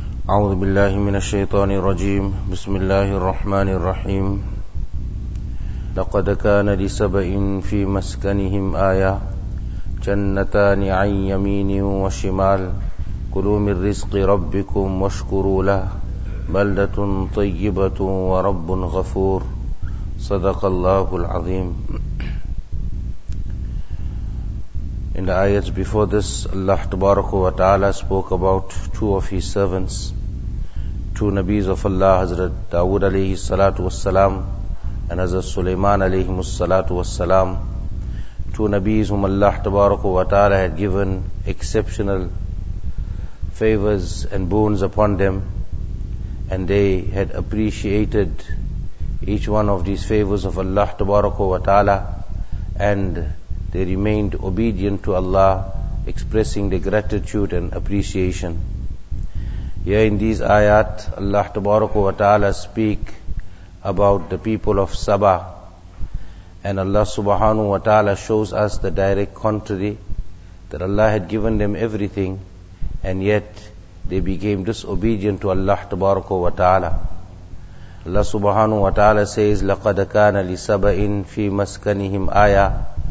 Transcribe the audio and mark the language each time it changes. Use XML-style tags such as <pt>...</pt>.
<ar>أعوذ بالله من الشيطان الرجيم بسم الله الرحمن الرحيم لقد كان لسبأ في مسكنهم آية جنتان عن يمين وشمال كلوا من رزق ربكم واشكروا له بلدة طيبة ورب غفور صدق الله العظيم.</ar> <en>In the ayats before this, Allah Tabaraka wa Ta'ala spoke about two of his servants, two Nabis of Allah, Hazrat Dawood alayhi salatu wassalam and Hazrat Sulaiman alayhi salatu wassalam, two Nabis whom Allah Tabaraka wa Ta'ala had given exceptional favors and boons upon them, and they had appreciated each one of these favors of Allah Tabaraka wa Ta'ala, and they remained obedient to Allah, expressing their gratitude and appreciation. Here in these ayat, Allah Tabaraka wa Ta'ala speak about the people of Sabah, and Allah Subhanahu wa Ta'ala shows us the direct contrary, that Allah had given them everything and yet they became disobedient to Allah Tabaraka wa Ta'ala. Allah Subhanahu wa Ta'ala says,</en> <ar>لَقَدْ كَانَ لِسَبَئٍ فِي مَسْكَنِهِمْ آيَةٍ.</ar>